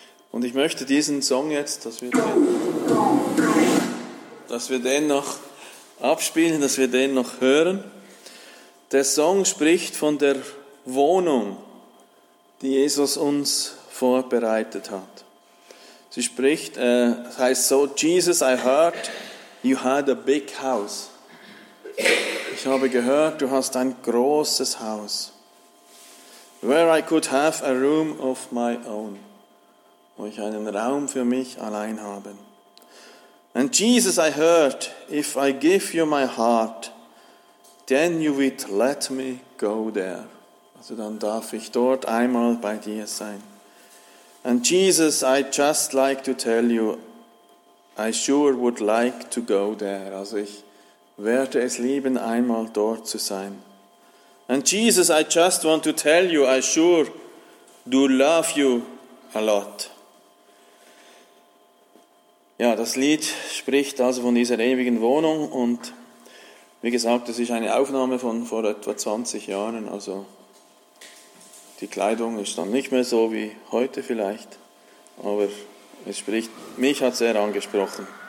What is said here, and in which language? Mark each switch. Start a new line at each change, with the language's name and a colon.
German: Und ich möchte diesen Song jetzt, dass wir den noch abspielen, dass wir den noch hören. Der Song spricht von der Wohnung, die Jesus uns vorbereitet hat. Sie spricht, es heißt so,
English: Jesus, I heard you had a big house.
German: Ich habe gehört, du hast ein großes Haus.
English: Where I could have a room of my own.
German: Wo ich einen Raum für mich allein habe.
English: And Jesus, I heard, if I give you my heart, then you would let me go there.
German: Also dann darf ich dort einmal bei dir sein.
English: And Jesus, I just like to tell you, I sure would like to go there.
German: Also ich werde es lieben, einmal dort zu sein.
English: And Jesus, I just want to tell you, I sure do love you a lot.
German: Ja, das Lied spricht also von dieser ewigen Wohnung und wie gesagt, das ist eine Aufnahme von vor etwa 20 Jahren, also die Kleidung ist dann nicht mehr so wie heute vielleicht, aber es spricht, mich hat es sehr angesprochen.